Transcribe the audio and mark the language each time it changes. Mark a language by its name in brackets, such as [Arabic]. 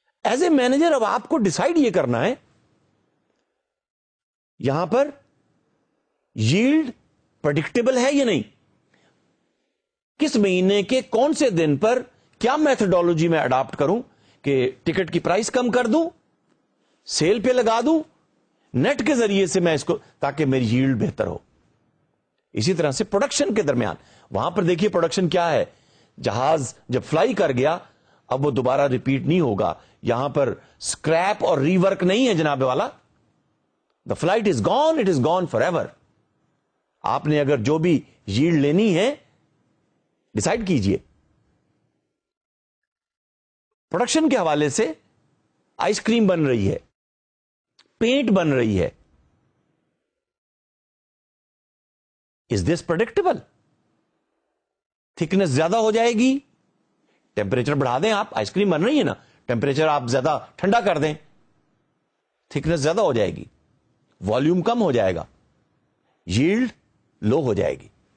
[English] is a manager [Urdu] اب آپ کو ڈیسائیڈ یہ کرنا ہے یہاں پر ییلڈ پرڈکٹیبل ہے یا نہیں, کس مہینے کے کون سے دن پر کیا میتھڈالوجی میں اڈاپٹ کروں کہ ٹکٹ کی پرائس کم کر دوں, سیل پہ لگا دوں, نیٹ کے ذریعے سے میں اس کو تاکہ میری ییلڈ بہتر ہو. اسی طرح سے پروڈکشن کے درمیان, وہاں پر دیکھیے پروڈکشن کیا ہے. جہاز جب فلائی کر گیا اب وہ دوبارہ ریپیٹ نہیں ہوگا. یہاں پر سکریپ اور ری ورک نہیں ہے جناب والا. [English] The flight is gone, it is gone for ever. [Urdu] آپ نے اگر جو بھی ییلڈ لینی ہے ڈیسائیڈ کیجئے. پروڈکشن کے حوالے سے آئس کریم بن رہی ہے, پینٹ بن رہی ہے, [English] Is this predictable? [Urdu] تھکنس زیادہ ہو جائے گی, ٹیمپریچر بڑھا دیں, آپ آئس کریم بن رہی ہے نا, ٹیمپریچر آپ زیادہ ٹھنڈا کر دیں, تھکنس زیادہ ہو جائے گی, والیوم کم ہو جائے گا, ییلڈ لو ہو جائے گی.